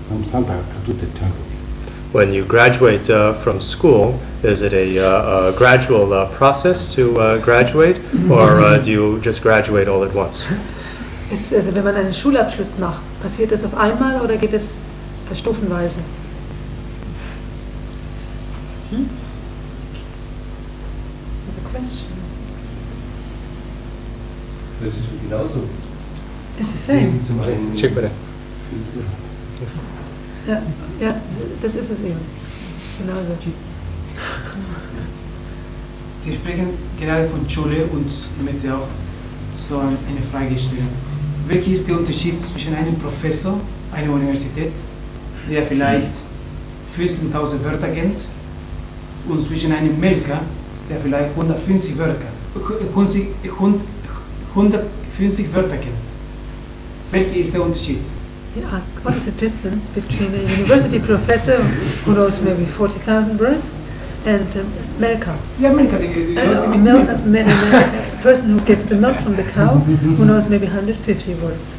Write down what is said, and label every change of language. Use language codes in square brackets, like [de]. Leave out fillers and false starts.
[en] When you graduate from school, is it a gradual process to graduate, or do you just graduate all at once? [de] Also wenn man einen Schulabschluss macht, passiert das auf einmal oder geht es stufenweise? [en] That's a question. [de] Das ist genauso. [en] It's the same. [de] Zum Check bitte. Ja, ja, das ist es eben. Genauso. Sie sprechen gerade von Schule und ich möchte auch so eine Frage stellen. Welcher ist der Unterschied zwischen einem Professor einer Universität, der vielleicht 15.000 Wörter kennt, und zwischen einem Melker, der vielleicht 150 Wörter kennt? Welcher ist der Unterschied? [en] He asked, what is the difference between a university professor who knows maybe 40,000 words and Melka? Yeah, Melka. A person who gets the milk from the cow who knows maybe 150 words.